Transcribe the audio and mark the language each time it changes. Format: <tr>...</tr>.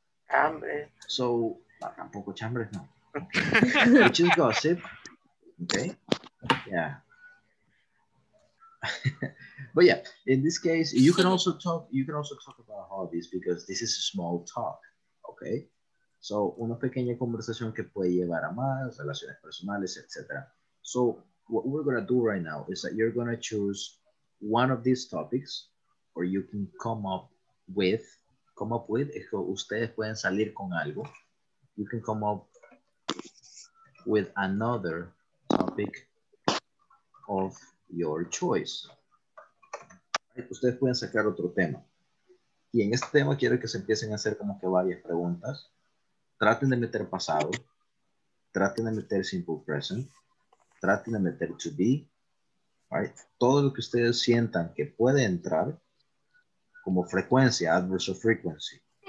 <es>Chambre.</es> <en>So,</en> <es>tampoco chambre, no.</es> <en>Okay. Which is gossip. Okay. Yeah. But yeah, in this case, you can also talk. You can also talk about hobbies because this is a small talk. Okay.</en> <es>So, una pequeña conversación que puede llevar a más, relaciones personales, etc.</es> <en>So, what we're going to do right now is that you're going to choose one of these topics, or you can come up with,</en> <es>es que ustedes pueden salir con algo.</es> <en>You can come up with another topic of your choice.</en> <es>Ustedes pueden sacar otro tema. Y en este tema quiero que se empiecen a hacer como que varias preguntas. Traten de meter pasado, traten de meter simple present, traten de meter to be, right? Todo lo que ustedes sientan que puede entrar como frecuencia, adverbs of frequency.</es>